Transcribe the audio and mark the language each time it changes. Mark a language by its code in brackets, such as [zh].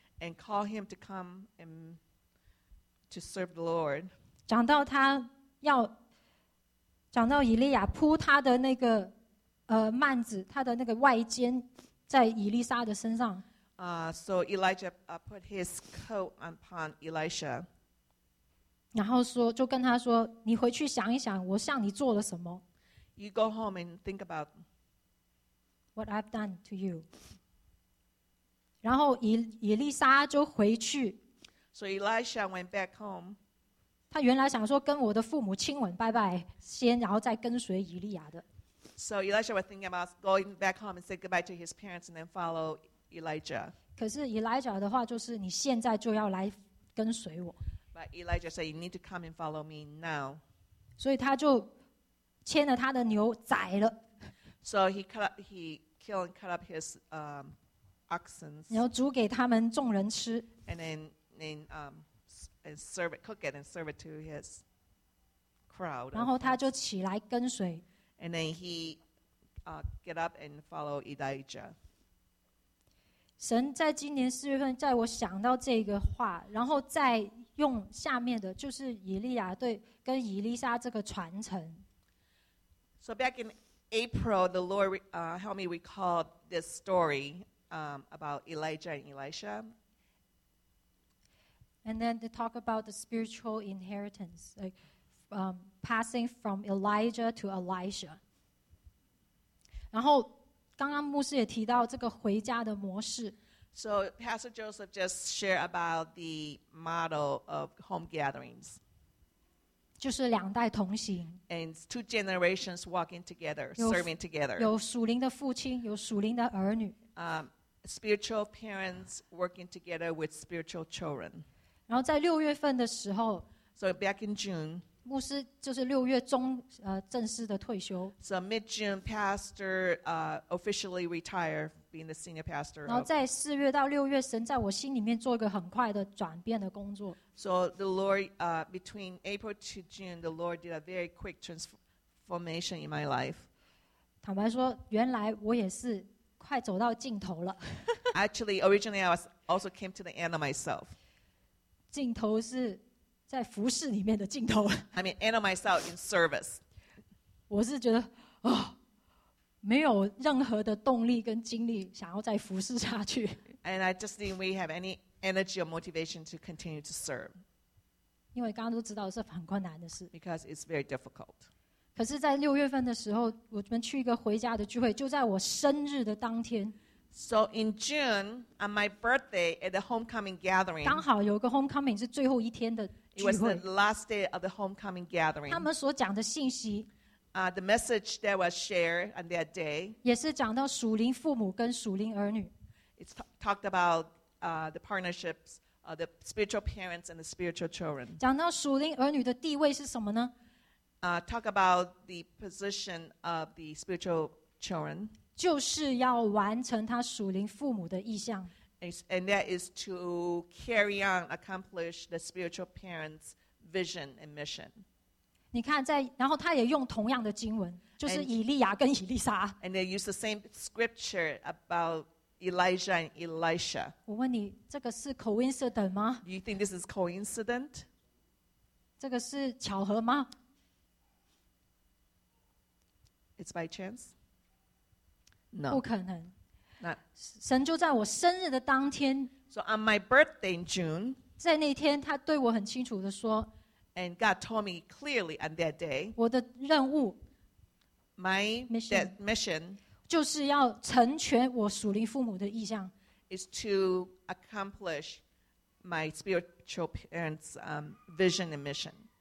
[en] And call him to come and to serve the Lord. [zh] 讲到他要。讲到以利亚铺他的那个幔子，他的那个外肩在以利沙的身上。 [en] So Elijah put his coat upon Elisha. [zh] 然后说，就跟他说，你回去想一想，我向你做了什么。 [en] You go home and think about what I've done to you. [zh] 然后以利沙就回去。 [en] So Elisha went back home. [zh] 他原来想说跟我的父母亲吻拜拜先然后再跟随以利亚的。 [en] So Elijah was thinking about going back home and say goodbye to his parents and then follow Elijah. [zh] 可是 Elijah 的话就是你现在就要来跟随我。 [en] But Elijah said you need to come and follow me now. [zh] 所以他就牵了他的牛宰了。 [en] So he killed and cut up his oxen. [zh] 然后煮给他们众人吃。 [en] And then serve it, cook it, and serve it to his crowd. [zh] 然后他就起来跟随。 [en] And then he get up and follow Elijah. [zh] 神在今年四月份，在我想到这个话，然后再用下面的，就是以利亚对跟以利沙这个传承。 [en] So back in April, the Lord helped me recall this story about Elijah and Elisha. And then they talk about the spiritual inheritance, like passing from Elijah to Elisha. [zh] 然后刚刚牧师也提到这个回家的模式。 [en] So Pastor Joseph just shared about the model of home gatherings. [zh] 就是两代同行。 [en] And two generations walking together, serving together. [zh] 有属灵的父亲，有属灵的儿女。 [en] Spiritual parents working together with spiritual children. [zh] 然后在六月份的时候 [en] ，So back in June， [zh] 牧师就是六月中正式的退休。 [en] So mid June, pastor officially retired, being the senior pastor. [zh] 然后在四月到六月，神在我心里面做一个很快的转变的工作。 [en] So the Lord, between April to June, the Lord did a very quick transformation in my life. [zh] 坦白说，原来我也是快走到尽头了。 [en] Actually, originally, I was also came to the end of myself. [zh] 尽头是在服事里面的尽头。 [en] I mean, end of myself in service. [zh] 我是觉得，哦，没有任何的动力跟精力想要再服事下去。 [en] And I just didn't have any energy or motivation to continue to serve. [zh] 因为刚刚都知道是很困难的事。 [en] Because it's very difficult. [zh] 可是，在六月份的时候，我们去一个回家的聚会，就在我生日的当天。 [en] So in June, on my birthday, at the homecoming gathering, [zh] 刚好有个 homecoming 是最后一天的聚会。 [en] It was the last day of the homecoming gathering. [zh] 他们所讲的信息 [en] the message that was shared on that day, [zh] 也是讲到属灵父母跟属灵儿女。 [en] It's talked about the partnerships of the spiritual parents and the spiritual children. [zh] 讲到属灵儿女的地位是什么呢？ [en] Talk about the position of the spiritual children. [zh] 就是要完成他属灵父母的意向 [en] and that is to carry on, accomplish the spiritual parents' vision and mission. [zh] 你看在，然后他也用同样的经文，就是以利亚跟以利沙。 [en] And they use the same scripture about Elijah and Elisha. [zh] 我问你，这个是 coincidence 吗？ [en] Do you think this is coincident? [zh] 这个是巧合吗？ [en] It's by chance? No, [zh] 不可能 [en] not, [zh] 神就在我生日的当天 [en] So on my birthday in June [zh] 在那天他对我很清楚地说 [en] And God told me clearly on that day [zh] 我的任务 [en] My mission, mission [zh] 就是要成全我属灵父母的意向 [en] Is to accomplish my spiritual parents' vision and mission